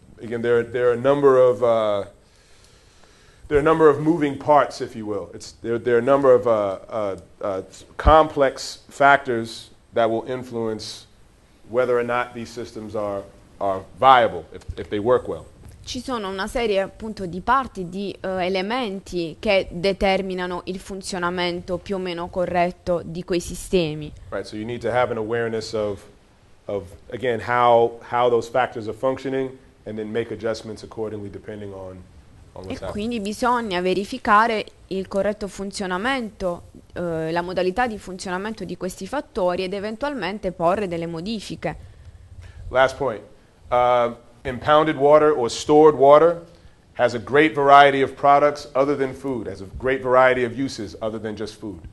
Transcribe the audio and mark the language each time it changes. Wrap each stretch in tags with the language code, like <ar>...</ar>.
<en>Again, there are a number of moving parts, if you will. There are a number of complex factors that will influence whether or not these systems are viable if they work well.</en> <it>Ci sono una serie appunto di parti, di elementi che determinano il funzionamento più o meno corretto di quei sistemi.</it> <en>Right, so you need to have an awareness of again how those factors are functioning and then make adjustments accordingly depending on what's happening.</en> <it>E quindi bisogna verificare il corretto funzionamento, la modalità di funzionamento di questi fattori ed eventualmente porre delle modifiche.</it> <en>Last point. Impounded water or stored water has a great variety of products other than food, has a great variety of uses other than just food.</en>